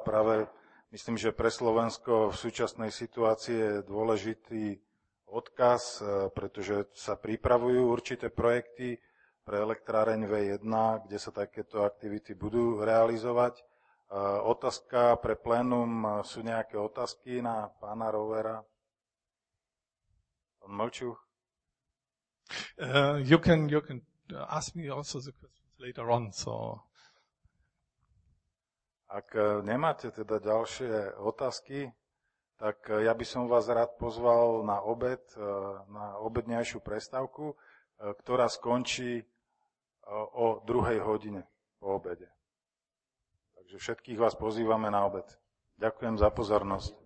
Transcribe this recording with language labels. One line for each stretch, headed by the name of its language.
Slovak: Práve myslím, že pre Slovensko v súčasnej situácii je dôležitý odkaz, pretože sa pripravujú určité projekty pre elektráreň V1, kde sa takéto aktivity budú realizovať. Otázka pre plénum, sú nejaké otázky na pána Rovera? Pán Mlčuch?
English: You can ask me also the questions later on, so...
Slovak: Ak nemáte teda ďalšie otázky, tak ja by som vás rád pozval na obed, na obednejšiu prestávku, ktorá skončí o 2. hodine po obede. Takže všetkých vás pozývame na obed. Ďakujem za pozornosť.